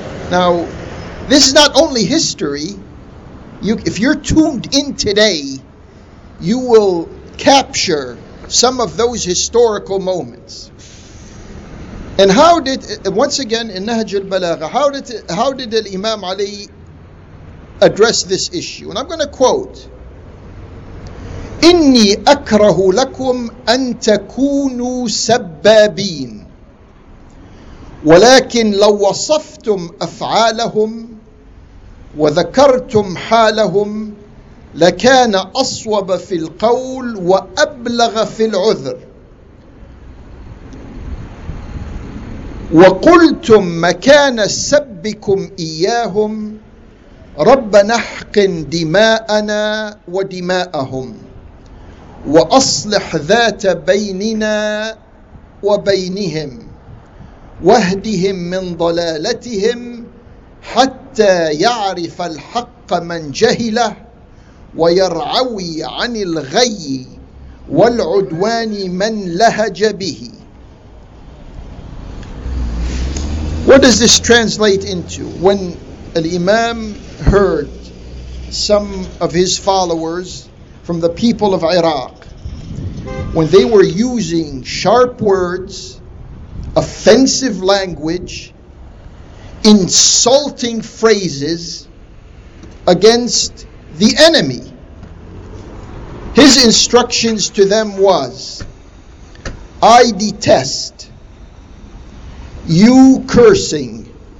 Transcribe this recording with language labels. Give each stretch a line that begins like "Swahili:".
English: Now, this is not only history. If you're tuned in today, you will capture some of those historical moments. And how did, once again, in Nahj al-Balagha, how did Imam Ali address this issue? And I'm going to quote,
Arabic: إني أكره لكم أن تكونوا سبابين ولكن لو وصفتم أفعالهم وذكرتم حالهم لكان أصوب في القول وأبلغ في العذر وقلتم مكان سبكم إياهم رب نحقن دماءنا ودماءهم وأصلح ذات بيننا وبينهم واهدهم من ضلالتهم حتى يعرف الحق من جهله ويرعوي عن الغي والعدوان من لهج به.
English: What does this translate into? When al-Imam heard some of his followers from the people of Iraq, when they were using sharp words, offensive language, insulting phrases against the enemy, his instructions to them was, I detest you cursing.